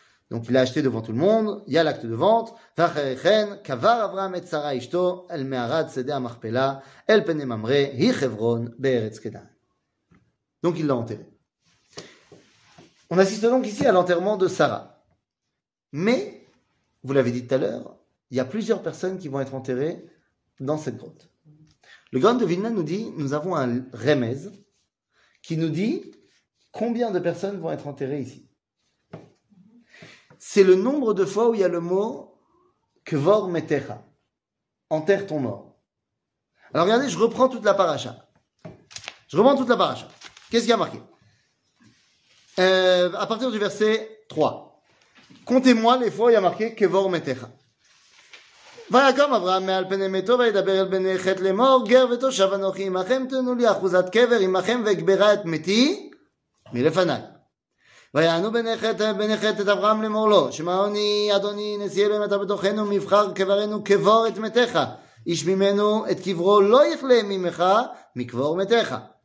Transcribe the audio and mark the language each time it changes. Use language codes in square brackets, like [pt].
[fr] Donc, il a acheté devant tout le monde, il y a l'acte de vente. [he] ואחרי כן, קבר אברהם את שרה אשתו, אל מערת שדה המכפלה, אל פני ממרא, היא חברון בארץ כנען. [fr] Donc, il l'a enterré. On assiste donc ici à l'enterrement de Sarah. Mais, vous l'avez dit tout à l'heure, il y a plusieurs personnes qui vont être enterrées dans cette grotte. Le Gaon de Vilna nous dit, nous avons un remez qui nous dit combien de personnes vont être enterrées ici. C'est le nombre de fois où il y a le mot [he] Kvor Metecha, [fr] enterre ton mort. Alors regardez, je reprends toute la paracha. Je reprends toute la paracha. Qu'est-ce qu'il y a marqué à partir du verset 3. Comptez-moi les fois où il y a marqué [he] Kvor Metecha. ויקום אברהם מעל פני מתו וידבר אל בני חת לאמור גר ותושב אנוכי עמכם תנו לי אחוזת קבר עמכם ואקברה את מתי מלפניי ויענו בני חת את אברהם לאמור לו שמעוני אדוני נשיא אלוהים אתה בתוכנו מבחר קברנו קבור את מתך איש ממנו את קברו לא יכלה ממך מקבור מתך